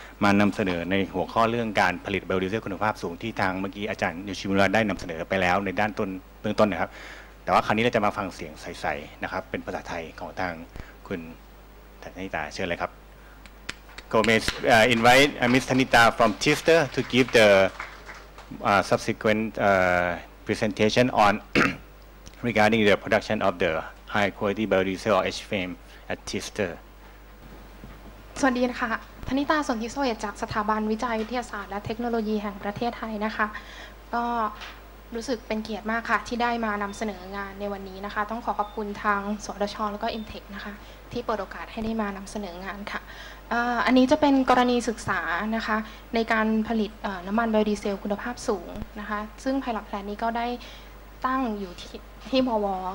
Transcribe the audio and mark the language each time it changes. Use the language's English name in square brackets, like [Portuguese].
[Thai] มานำเสนอในหัวข้อเรื่องการผลิตไบโอดีเซลคุณภาพสูงที่ทางเมื่อกี้อาจารย์ยูชิมูระได้นำเสนอไปแล้วในด้านต้นเบื้องต้นนะครับแต่ว่าคราวนี้เราจะมาฟังเสียงใสๆนะครับเป็นภาษาไทยของทางคุณธนิตาเชิญเลยครับ [English] Go may invite Ms. Tanita from TISTA to give the subsequent presentation on regarding the production of the high quality biodiesel or HVAM at TISTA. [Thai] สวัสดีค่ะ Tanita สนธิโซเอตจากสถาบันวิจัยวิทยาศาสตร์และเทคโนโลยีแห่งประเทศไทยนะคะก็รู้สึกเป็นเกียรติมากค่ะที่ได้มานำเสนองานในวันนี้นะคะต้องขอขอบคุณทางสทช. แล้วก็ Intec นะคะที่เปิดโอกาสให้ได้มานำเสนองานค่ะอันนี้จะเป็นกรณีศึกษานะคะในการผลิตน้ำมันไบโอดีเซลคุณภาพสูงนะคะซึ่งไพลอตแพลนนี้ก็ได้ตั้งอยู่ที่มว.